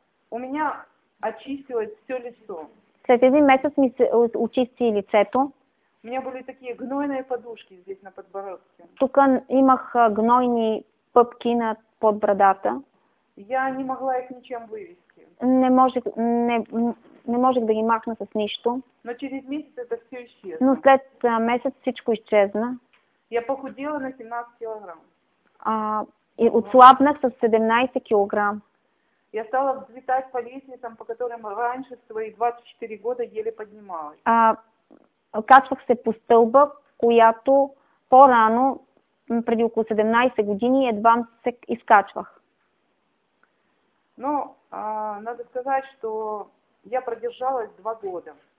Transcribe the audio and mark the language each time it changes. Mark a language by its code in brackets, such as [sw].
[ru] у меня очистилось все лицо. [bg] След един месец ми се очисти лицето. [ru] У меня были такие гнойные подушки здесь на подбородке. [bg] Тук имах гнойни пъпки на под брадата. [ru] Я не могла их ничем вывести. [bg] Не можех, не, не можех да ги махна с нищо. [ru] Но через месяц это все исчезло. [bg] Но след месец всичко изчезна. [ru] Я похудела на 17 килограм. [bg] И отслабнах с 17 килограм. [ru] Я стала взлетать по лестницам, по которым раньше свои 24 года еле поднималась. [bg] Качвах се по стълба, която по-рано, преди около 17 години, едва се изкачвах. [ru] Но надо сказать, что я продержалась 2 года.